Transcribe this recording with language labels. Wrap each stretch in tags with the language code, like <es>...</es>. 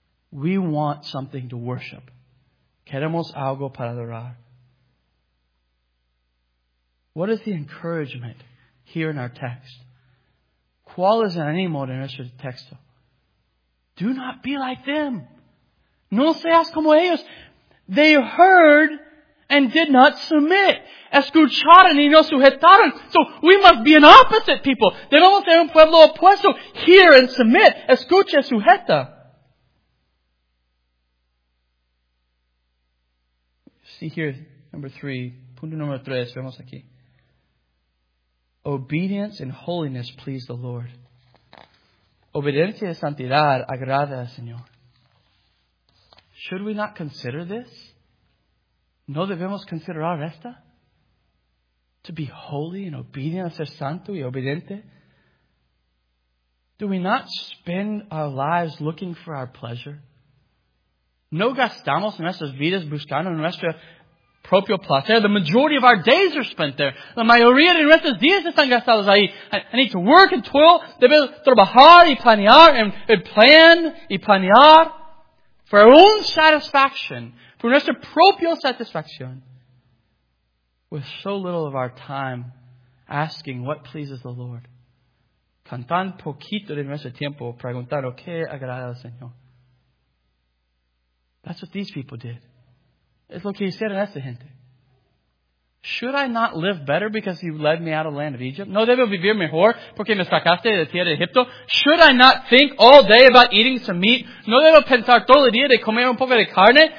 <en>We want something to worship.</en> <es>Queremos algo para adorar.</es> <en>What is the encouragement here in our text?</en> <es>¿Cuál es el ánimo de nuestro texto?</es> <en>Do not be like them.</en> <es>No seas como ellos.</es> <en>They heard and did not submit.</en> <es>Escucharon y no sujetaron.</es> <en>So we must be an opposite people.</en> <es>Debemos ser un pueblo opuesto.</es> <en>Hear and submit.</en> <es>Escucha, sujeta.</es> <en>See here, number three.</en> <es>Punto número tres. Vemos aquí.</es> <en>Obedience and holiness please the Lord.</en> <es>Obediencia y santidad agrada al Señor.</es> <en>Should we not consider this?</en> <es>¿No debemos considerar esta?</es> <en>To be holy and obedient,</en> <es>ser santo y obediente.</es> <en>Do we not spend our lives looking for our pleasure?</en> <es>¿No gastamos nuestras vidas buscando nuestro propio placer?</es> <en>The majority of our days are spent there.</en> <es>La mayoría de nuestros días están gastados ahí.</es> <en>I need to work and toil.</en> <es>Debo trabajar y planear</es> <en>and plan</en> <es>y planear</es> <en>for our own satisfaction. For</en> <es>nuestra propia satisfacción,</es> <en>with so little of our time asking what pleases the Lord,</en> <es>con tan poquito de nuestro tiempo preguntando qué agrada al Señor.</es> <en>That's what these people did.</en> <es>Es lo que hicieron esta gente.</es> <en>Should I not live better because you led me out of the land of Egypt?</en> <es>No debo vivir mejor porque me sacaste de la tierra de Egipto.</es> <en>Should I not think all day about eating some meat?</en> <es>No debo pensar todo el día de comer un poco de carne.</es>